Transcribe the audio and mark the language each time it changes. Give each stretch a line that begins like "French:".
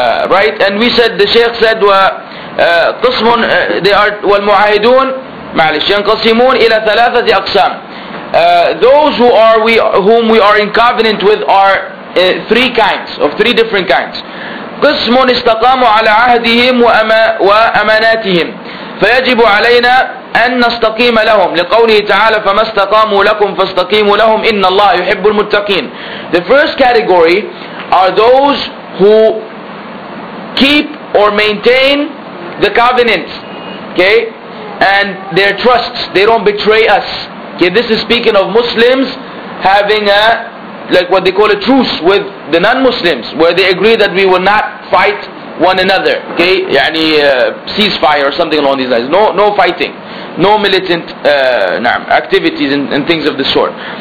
English: Right? And we said, the Shaykh said, قسمون, they are
Arabic: والمعاهدون معلش ينقسمون إلى ثلاثة أقسام.
English: Those who are whom we are in covenant with are three kinds, of three different kinds.
Arabic: قسمون استقاموا على عهدهم وأماناتهم فيجب علينا أن نستقيم لهم لقوله تعالى فما استقاموا لكم فاستقيموا لهم إن الله يحب المتقين.
English: The first category are those who keep or maintain the covenant, okay, and their trusts, they don't betray us. Okay, this is speaking of Muslims having a, like what they call a truce with the non-Muslims, where they agree that we will not fight one another, okay, yani ceasefire or something along these lines, no fighting, no militant activities and things of the sort.